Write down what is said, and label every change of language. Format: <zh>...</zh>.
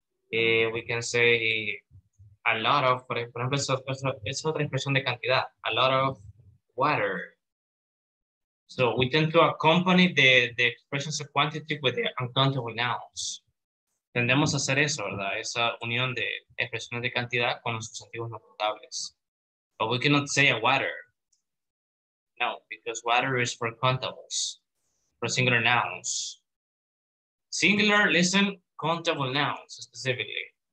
<en>We can say a lot of,</en> <es>por ejemplo, es otra expresión de cantidad.</es> <en>A lot of water. So we tend to accompany the expressions of quantity with the uncountable nouns.</en> <es>Tendemos a hacer eso, ¿verdad? Esa unión de expresiones de cantidad con los sustantivos no contables.</es> <en>But we cannot say a water. No, because water is for countables, for singular nouns. Singular, listen, countable nouns specifically.</en>